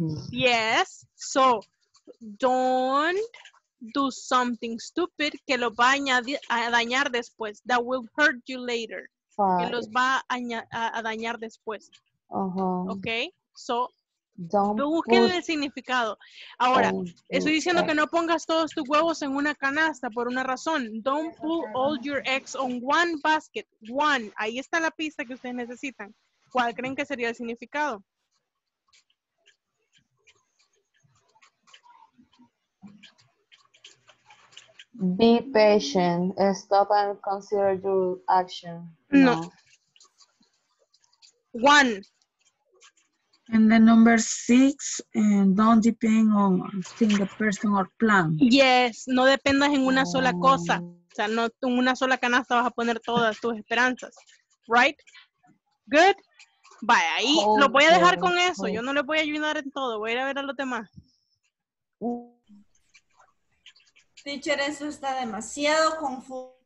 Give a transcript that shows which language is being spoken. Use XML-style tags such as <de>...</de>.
<en>Yes. So, don't do something stupid</en> <es>que lo va a dañar después.</es> <en>That will hurt you later. Five.</en> <es>Que los va a dañar después. Uh-huh. Okay. So, busquen el significado. Ahora, estoy diciendo que no pongas todos tus huevos en una canasta por una razón.</es> <en>Don't pull all your eggs on one basket.</en> <es>One. Ahí está la pista que ustedes necesitan. ¿Cuál creen que sería el significado?</es> <en>Be patient. Stop and consider your action.</en> <es>No.</es> <en>One. And then number 6, and don't depend on a single person or plan.</en> <es>Yes, no dependas en una sola cosa. O sea, no en una sola canasta vas a poner todas tus esperanzas. Right? Good. Vaya, ahí lo voy a dejar con eso. Yo no les voy a ayudar en todo. Voy a ir a ver a los demás. Teacher, eso está demasiado confuso.</es>